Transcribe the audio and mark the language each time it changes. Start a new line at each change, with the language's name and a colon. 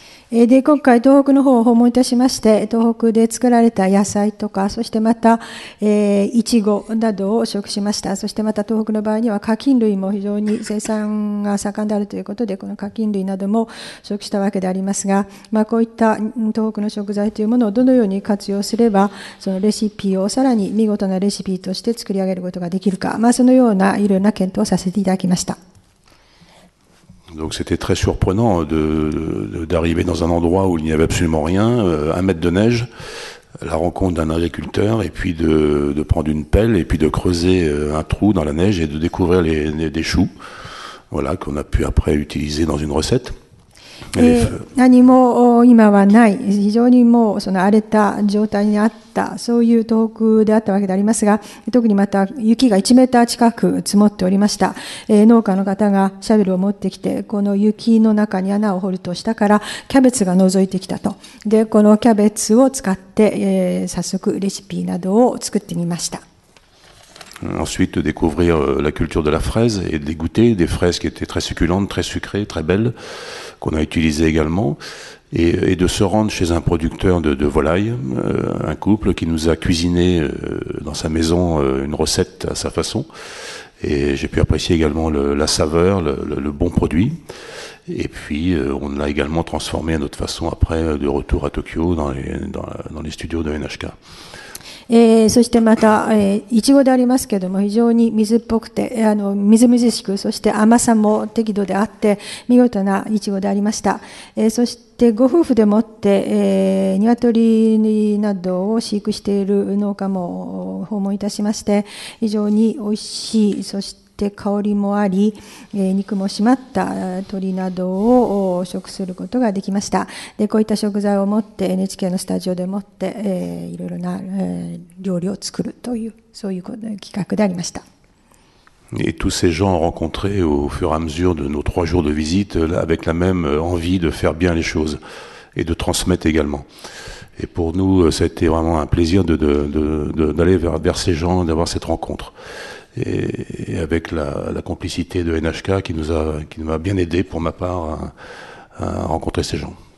Japanese: で今回東北の方を訪問いたしまして、東北で作られた野菜とか、そしてまたいちごなどを食しました。そしてまた東北の場合には花菌類も非常に生産が盛んであるということで、この花菌類なども食したわけでありますが、こういった東北の食材というものをどのように活用すれば、そのレシピをさらに見事なレシピとして作り上げることができるか、そのようないろいろな検討をさせていただきました。
French: Donc c'était très surprenant d'arriver dans un endroit où il n'y avait absolument rien, un mètre de neige, la rencontre d'un agriculteur, et puis de prendre une pelle et puis de creuser un trou dans la neige et de découvrir des choux, voilà, qu'on a pu après utiliser dans une recette.
Japanese: 何も今はない、非常にもうその荒れた状態にあった、そういう東北であったわけでありますが、特にまた雪が1メーター近く積もっておりました。農家の方がシャベルを持ってきて、この雪の中に穴を掘ると下からキャベツが覗いてきたと。でこのキャベツを使って、早速レシピなどを作ってみました。
French: Ensuite, découvrir la culture de la fraise et de goûter des fraises qui étaient très succulentes, très sucrées, très belles, qu'on a utilisées également. Et de se rendre chez un producteur de volaille, un couple qui nous a cuisiné dans sa maison une recette à sa façon. Et j'ai pu apprécier également la saveur, le bon produit. Et puis, on l'a également transformé à notre façon après, de retour à Tokyo, dans les studios de NHK.
Japanese: そしてまた、いちごでありますけれども、非常に水っぽくて、みずみずしく、そして甘さも適度であって、見事ないちごでありました。そしてご夫婦でもって、ニワトリなどを飼育している農家も訪問いたしまして、非常においしい、そして香りもあり、肉も締まった鶏などを食することができました。でこういった食材を持って、 NHK のスタジオでもって、いろいろな、料理を作るという、そういう企画でありました。
French: Et tous ces gens rencontrés au fur et à mesure de nos trois jours de visite, avec la même envie de faire bien les choses et de transmettre également. Et pour nous, ça a été vraiment un plaisir d'aller vers ces gens, d'avoir cette rencontre. Et avec la complicité de NHK qui m'a bien aidé pour ma part à rencontrer ces gens.